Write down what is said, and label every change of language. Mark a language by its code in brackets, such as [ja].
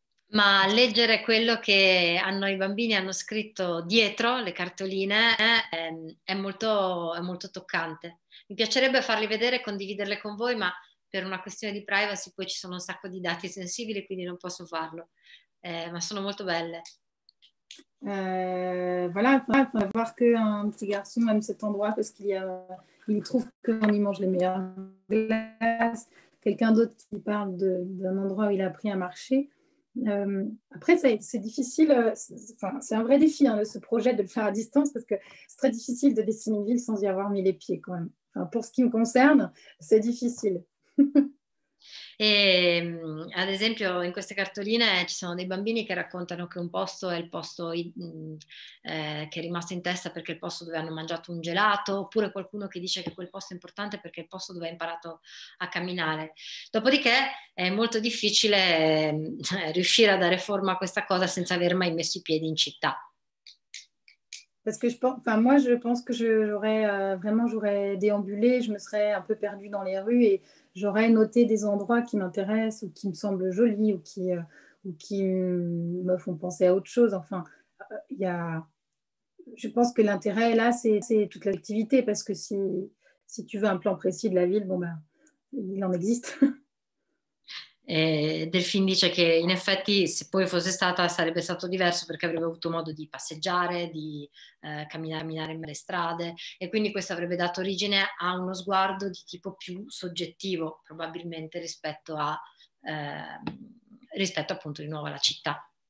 [it] Ma leggere quello che i bambini hanno scritto dietro le cartoline è molto toccante. Mi piacerebbe farli vedere e condividerle con voi, ma per una questione di privacy poi ci sono un sacco di dati sensibili, quindi non posso farlo. Ma sono molto belle. [fr] Voilà, enfin, voir qu'un petit garçon aime cet endroit parce qu'il trouve qu'on y mange les meilleures glaces. Quelqu'un d'autre qui parle d'un endroit où il a appris à marcher. Après, c'est difficile, c'est un vrai défi, hein, ce projet de le faire à distance parce que c'est très difficile de dessiner une ville sans y avoir mis les pieds quand même. Enfin, pour ce qui me concerne, c'est difficile. [it] E ad esempio in queste cartoline ci sono dei bambini che raccontano che un posto è il posto che è rimasto in testa perché è il posto dove hanno mangiato un gelato, oppure qualcuno che dice che quel posto è importante perché è il posto dove ha imparato a camminare. Dopodiché è molto difficile riuscire a dare forma a questa cosa senza aver mai messo i piedi in città. [fr] Parce que j'aurais déambulé, je me serais un peu perdue dans les rues et j'aurais noté des endroits qui m'intéressent ou qui me semblent jolis ou qui me font penser à autre chose. Enfin, je pense que l'intérêt là, c'est toute l'activité parce que si tu veux un plan précis de la ville, bon ben, il en existe. [it] Delphine dice che in effetti se poi fosse stata sarebbe stato diverso perché avrebbe avuto modo di passeggiare, di camminare in mezzo strade e quindi questo avrebbe dato origine a uno sguardo di tipo più soggettivo probabilmente rispetto appunto di nuovo alla città.